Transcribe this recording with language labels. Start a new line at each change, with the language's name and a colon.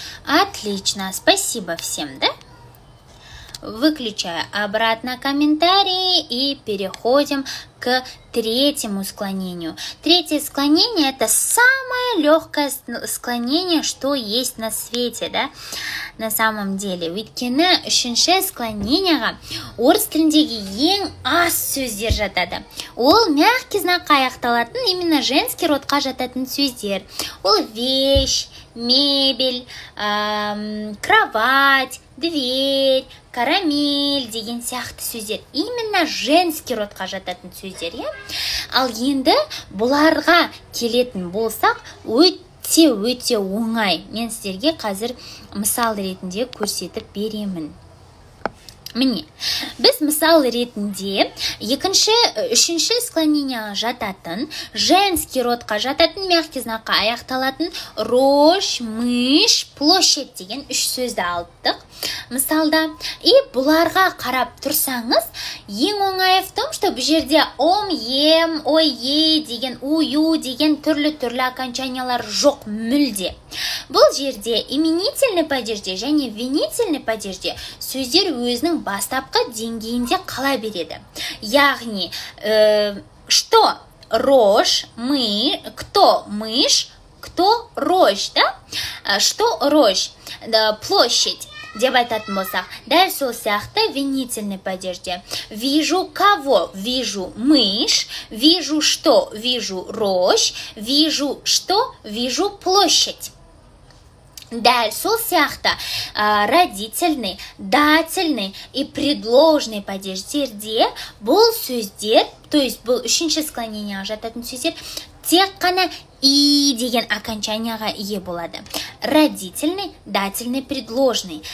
Russian: Отлично, спасибо всем, да? Выключаю обратно комментарии и переходим к третьему склонению. Третье склонение – это самое легкое склонение, что есть на свете, да? На самом деле,
Kazakh: өйткені үшінші склонениеға орыс тіліндегі ең аз сөздер жатады. Ол мягкий знак аяқталатын, именно женский родқа жататын сөздер. Ол вещь, мебель, кровать, дверь, карамель деген сияқты сөздер. Именно женский родқа жататын сөздер. Е? Ал енді бұларға келетін болсақ, өте-өте оңай. Мен сіздерге қазір мысал ретінде көрсетіп беремін. Міне, біз мысал ретінде үшінші склонениеге жататын, женский родқа жататын, мягкий знаққа аяқталатын рожь, мышь, площадь деген үш сөзді алдық. Мысалда, и бұларға қарап тұрсаңыз, ең оңайы
Russian: в том, что
Kazakh: бұл жерде ом, ем, ой, е деген, ую деген түрлі-түрлі окончаниялар жоқ мүлде. Бұл жерде именительный падежде және винительный падежде сөздер өзінің бастапқы деңгейінде қала береді.
Russian: Яғни, что рожь, мы, кто мышь, кто рожь, да? Что рожь, да, площадь.
Kazakh: Деп айтатын болсақ, дәл сол сияқты винительный падежде.
Russian: Вижу кого? Вижу мышь. Вижу что? Вижу рожь. Вижу что? Вижу площадь.
Kazakh: Дәл сол сияқты родительный, дательный и предложный падеждерде бұл сөздер,
Russian: то есть
Kazakh: бұл үшінші склонение жататын сөздер, тек қана и деген окончанияға ие болады.
Russian: Родительный, дательный, предложный.